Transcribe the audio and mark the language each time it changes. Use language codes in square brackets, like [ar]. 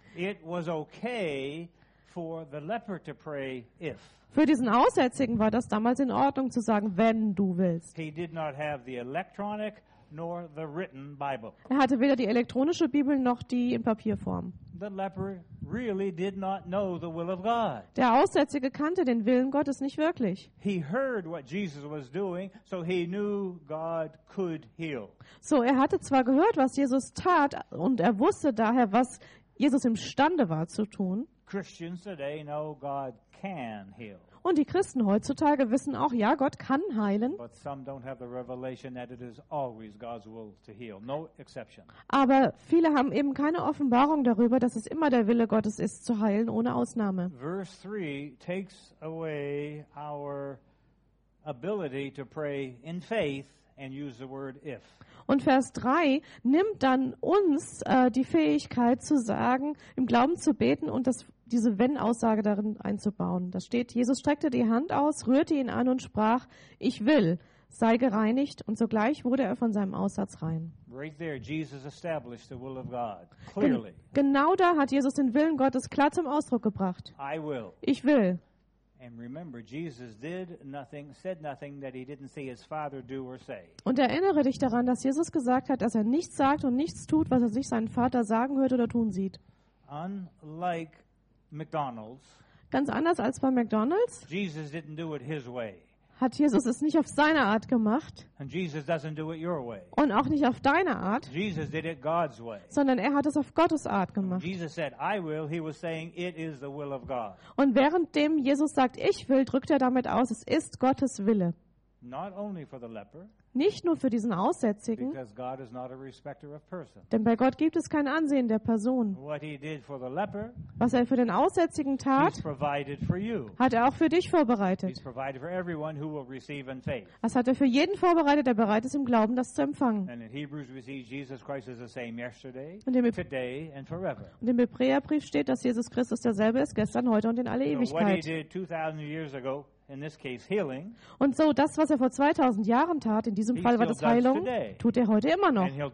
[en] It was okay for the leper to pray if. [de] Für diesen Aussätzigen war das damals in Ordnung zu sagen, wenn du willst. [en] He did not have the electronic nor the written Bible. [de] Er hatte weder die elektronische Bibel noch die in Papierform. [en] The leper really did not know the will of God. [de] Der Aussätzige kannte den Willen Gottes nicht wirklich. [en] He heard what Jesus was doing, so he knew God could heal. [de] So, er hatte zwar gehört, was Jesus tat, und er wusste daher, was Jesus imstande war zu tun. [en] Christians today know God can heal. [de] Und die Christen heutzutage wissen auch, ja, Gott kann heilen. [en] But some don't have the revelation that it is always God's will to heal. No exception. [de] Aber viele haben eben keine Offenbarung darüber, dass es immer der Wille Gottes ist, zu heilen, ohne Ausnahme. Verse 3 takes away our ability to pray in faith and use the word if. Und Vers 3 nimmt dann uns die Fähigkeit zu sagen, im Glauben zu beten und diese Wenn-Aussage darin einzubauen. Da steht, Jesus streckte die Hand aus, rührte ihn an und sprach, ich will, sei gereinigt. Und sogleich wurde er von seinem Aussatz rein. [en] Right there, Jesus established the will of God, clearly. [de] Genau da hat Jesus den Willen Gottes klar zum Ausdruck gebracht. [en] I will. [de] Ich will. [en] And remember, Jesus did nothing, said nothing that he didn't see his father do or say. [de] Und erinnere dich daran, dass Jesus gesagt hat, dass er nichts sagt und nichts tut, was er sich seinen Vater sagen hört oder tun sieht. [en] Unlike McDonald's. [de] Ganz anders als bei McDonald's. [en] Jesus didn't do it his way. [de] Hat Jesus es nicht auf seine Art gemacht. [en] And Jesus doesn't do it your way. [de] Und auch nicht auf deine Art. [en] Jesus did it God's way. [de] Sondern er hat es auf Gottes Art gemacht. [en] Jesus said, I will, he was saying, it is the will of God. [de] Und währenddem Jesus sagt, ich will, drückt er damit aus, es ist Gottes Wille. [en] Not only for the leper, [de] nicht nur für diesen Aussätzigen, [en] because God is not a respecter of person. [de] Denn bei Gott gibt es kein Ansehen der Person. [en] What he did for the leper, [de] was er für den Aussätzigen tat, [en] he's provided for you. [de] Hat er auch für dich vorbereitet. [en] He's provided for everyone who will receive in faith. [de] Das hat er für jeden vorbereitet, der bereit ist, im Glauben das zu empfangen. [en] And in Hebrews we see Jesus Christ is the same yesterday, today and forever. [de] Und im Hebräerbrief steht, dass Jesus Christus derselbe ist, gestern, heute und in alle Ewigkeit. [en] What he did 2000 years ago, in this case healing, [de] und so das, was er vor 2000 Jahren tat, in diesem Fall war das Heilung, tut er heute immer noch.